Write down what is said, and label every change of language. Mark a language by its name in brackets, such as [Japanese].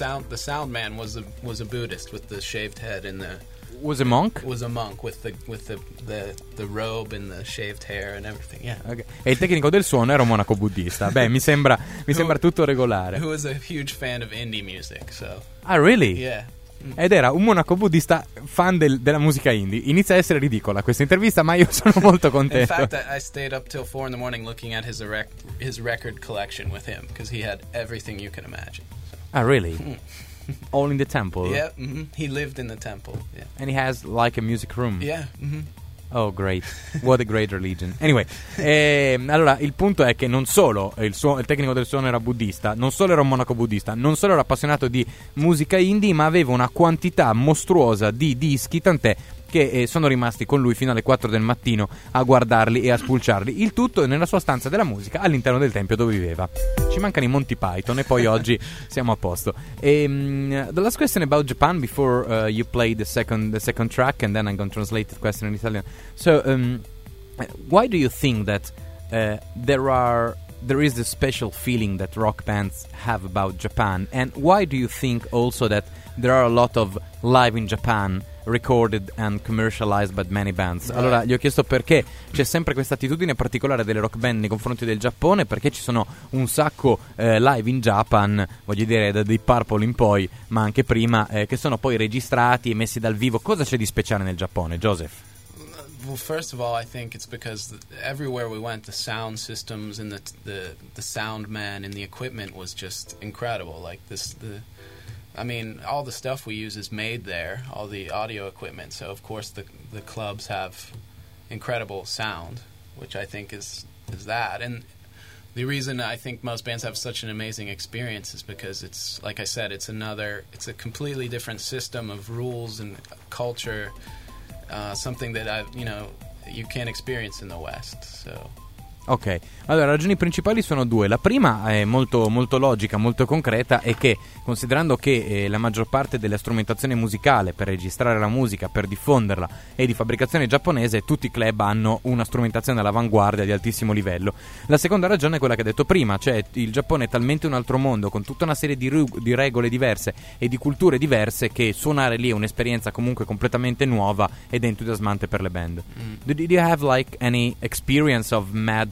[English] The sound man was a Buddhist with the shaved head and the... Was a monk with the robe and the shaved hair and everything. Yeah. Okay. [Italian] E il tecnico del suono era un monaco buddista. mi sembra tutto regolare. [English] Who was a huge fan of indie music, so. Ah, really? Yeah. [Italian] Ed era un monaco buddista fan della musica indie. Inizia a essere ridicola questa intervista, ma io sono molto contento. [English] In fact, I stayed up till 4 in the morning looking at his record collection with him, because he had everything you can imagine. So. Ah, really? All in the temple. Yeah, he lived in the temple. Yeah. And he has like a music room. Yeah. Oh, great. What a great religion. [Italian] Anyway, allora, il punto è che non solo il tecnico del suono era buddista, non solo era un monaco buddista, non solo era appassionato di musica indie, ma aveva una quantità mostruosa di dischi, tant'è che sono rimasti con lui fino alle 4 del mattino a guardarli e a spulciarli. Il tutto nella sua stanza della musica all'interno del tempio dove viveva. Ci mancano i Monty Python e poi oggi siamo a posto. [English] The last question about Japan before you play the second track, and then I'm going to translate the question in Italian. So, why do you think that there is this special feeling that rock bands have about Japan? And why do you think also that there are a lot of live in Japan recorded and commercialized by many bands? Right. [Italian] Allora, gli ho chiesto perché c'è sempre questa attitudine particolare delle rock band nei confronti del Giappone, perché ci sono un sacco live in Japan, voglio dire da Deep Purple in poi, ma anche prima, che sono poi registrati e messi dal vivo. Cosa c'è di speciale nel Giappone, Joseph? [English] Well, first of all, I think it's because everywhere we went, the sound systems and the sound man and the equipment was just incredible. Like this, all the stuff we use is made there, all the audio equipment. So, of course, the clubs have incredible sound, which I think is that. And the reason I think most bands have such an amazing experience is because it's, like I said, it's a completely different system of rules and culture, something that, you can't experience in the West, so... [Italian] Ok, allora, ragioni principali sono due. La prima è molto, molto logica, molto concreta, è che considerando che la maggior parte della strumentazione musicale per registrare la musica, per diffonderla, è di fabbricazione giapponese, tutti i club hanno una strumentazione all'avanguardia di altissimo livello. La seconda ragione è quella che ho detto prima, cioè il Giappone è talmente un altro mondo, con tutta una serie di regole diverse e di culture diverse, che suonare lì è un'esperienza comunque completamente nuova ed entusiasmante per le band. [English] Did you have like any experience of mad